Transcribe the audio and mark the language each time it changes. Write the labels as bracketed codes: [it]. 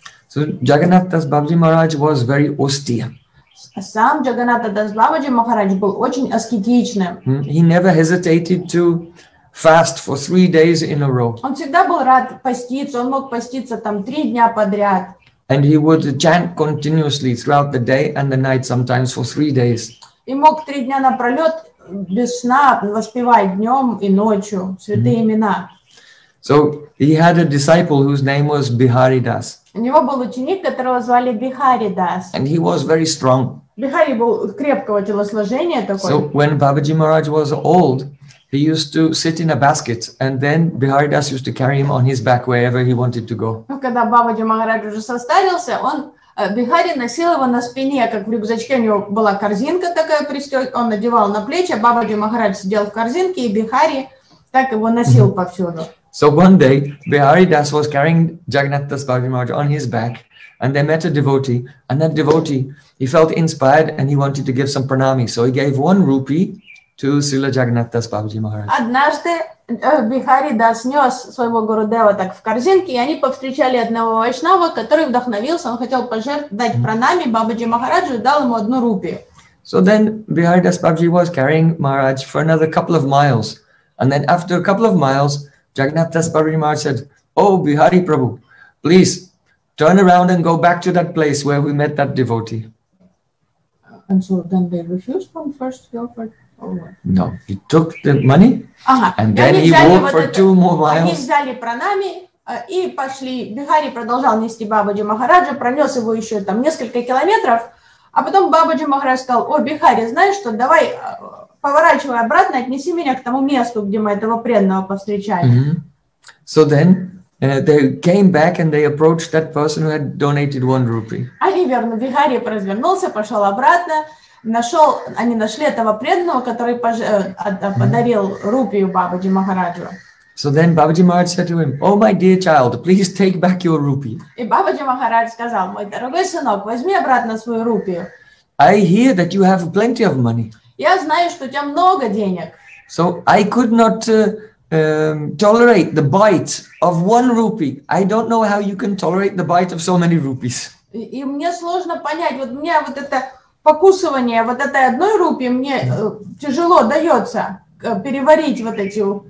[en] So Jagannath Das Babaji Maharaj was very austere. [ru] Сам Jagannatha Das Babaji Maharaj был очень аскетичным. [en] He never hesitated to fast for 3 days in a row. [ru] Он всегда был рад поститься, он мог поститься там 3 дня подряд. [en] And he would chant continuously throughout the day and the night, sometimes for 3 days. [ru] И мог 3 дня напролет без сна воспевать днем и ночью святые имена. [en] So he had a disciple whose name was Bihari Das. [ru] У него был ученик, которого звали Bihari Das. [en] And he was very strong. [ru] Bihari был крепкого телосложения такой. [en] So when Babaji Maharaj was old, he used to sit in a basket, and then Bihari Das used to carry him on his back wherever he wanted to go. [ru] Когда Бабаджи Махарадж уже состарился, он Бихари носил его на спине, как в рюкзачке у него была корзинка такая пристёгнута, он надевал на плечи, Бабаджи Махарадж сидел в корзинке, и Бихари так его носил повсюду. [en] So one day Bihari Das was carrying Jagannatha Babaji Maharaj on his back, and they met a devotee, and that devotee, he felt inspired and he wanted to give some pranami, so he gave 1 rupee to Srila Jagannatha Babaji Maharaj. [ru] Однажды Bihari Das нес своего Гурудева так в корзинке, и они повстречали одного вайшнава, который вдохновился, он хотел пожертвовать пранами Бабаджи Махараджу, дал ему 1 рупию. [en] So then Bihari Das Babaji was carrying Maharaj for another couple of miles, and then after a couple of miles, Jagannatha Babaji Maharaj said, "Oh Bihari Prabhu, please turn around and go back to that place where we met that devotee." And so then they refused from first offer. No, he took the money, and then he walked for 2 more miles. [ru] Они взяли пранами и пошли. Бихари продолжал нести Бабаджи Махараджа, пронес его еще там несколько километров, а потом Бабаджи Махарадж сказал: "О, Бихари, знаешь что? Давай поворачивай обратно, отнеси меня к тому месту, где мы этого преданного повстречали." Mm-hmm. [en] So then they came back and they approached that person who had donated 1 rupee. [ru] Они верно, Бихари развернулся, пошел обратно. Нашел, они нашли этого преданного, который подарил рупию Бабаджи Махараджу. [en] So then Бабаджи Махарадж said to him, "Oh my dear child, please take back your rupee." [ru] И Бабаджи Махарадж сказал: "Мой дорогой сынок, возьми обратно свою рупию." [en] "I hear that you have plenty of money." [ru] Я знаю, что у тебя много денег. [en] "So I could not tolerate the bite of 1 rupee. I don't know how you can tolerate the bite of so many rupees." [ru] И мне сложно понять, вот мне вот это покусывание вот этой 1 рупии мне тяжело дается переварить вот эти...